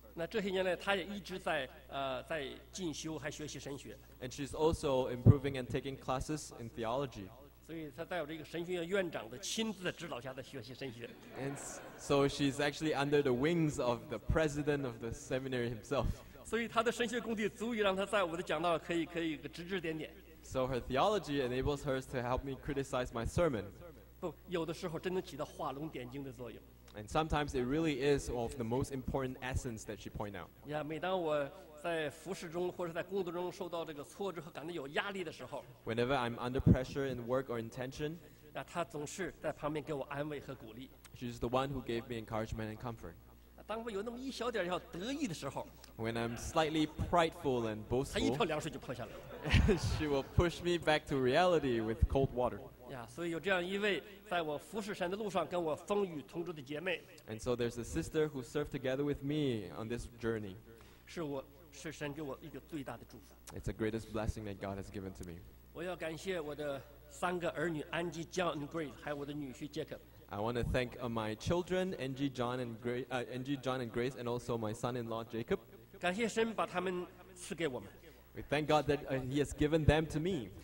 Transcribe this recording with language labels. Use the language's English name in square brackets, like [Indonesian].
[Chinese] 那这些年呢，她也一直在进修，还学习神学。 [English] And she's also improving and taking classes in theology. [Chinese] 所以她在我这个神学院院长的亲自的指导下在学习神学。 [English] And so she's actually under the wings of the president of the seminary himself. [Chinese] 所以她的神学功底足以让她在我的讲道可以指指点点。 [English] So her theology enables her to help me criticize my sermon. [Chinese] 不，有的时候真的起到画龙点睛的作用。 [English] And sometimes it really is of the most important essence that she point out. [Chinese] Yeah, 每当我在服侍中或者在工作中受到这个挫折和感到有压力的时候， [English] Whenever I'm under pressure in work or intention, [Chinese] 她总是在旁边给我安慰和鼓励。 [English] She's the one who gave me encouragement and comfort. [Chinese] 当我有那么一小点要得意的时候， [English] When I'm slightly prideful and boastful, [Chinese] 她一跳凉水就泼下来了。 [English] She will push me back to reality with cold water. [Chinese] Yeah, 所以有这样一位在我服侍神的路上跟我风雨同舟的姐妹。 [English] And so there's a sister who served together with me on this journey. [Chinese] 是神给我一个最大的祝福。 [English] It's the greatest blessing that God has given to me. [Chinese] 我要感谢我的三个儿女 Angie, John, and Grace, 还有我的女婿 Jacob. [English] I want to thank my children Angie, John, and Grace, Angie, John, and Grace, and also my son-in-law Jacob. [Chinese] 感谢神把他们赐给我们。 [English] We thank God that He has given them to me.